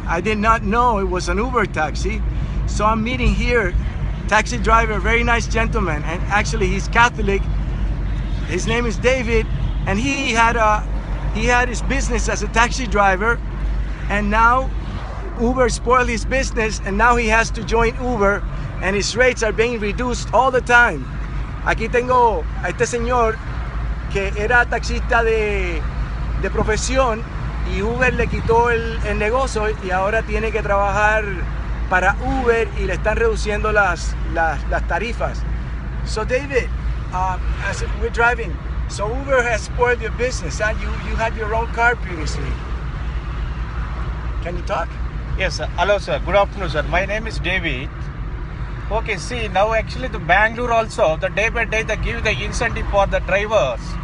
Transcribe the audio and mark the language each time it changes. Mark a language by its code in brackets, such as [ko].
[en] I did not know it was an Uber taxi. So I'm meeting here, taxi driver, very nice gentleman, and actually he's Catholic. His name is David, and he had his business as a taxi driver, and now Uber spoiled his business, and now he has to join Uber, and his rates are being reduced all the time. [es] Aquí tengo a este señor que era taxista de profesión y Uber le quitó el negocio y ahora tiene que trabajar para Uber y le están reduciendo las tarifas. [en] So David, as we're driving, so Uber has spoiled your business, huh? You had your own car previously. Can you talk? Yes, sir. Hello, sir. Good afternoon, sir. My name is David. Okay, see, now actually the Bangalore also, the day by day they give the incentive for the drivers.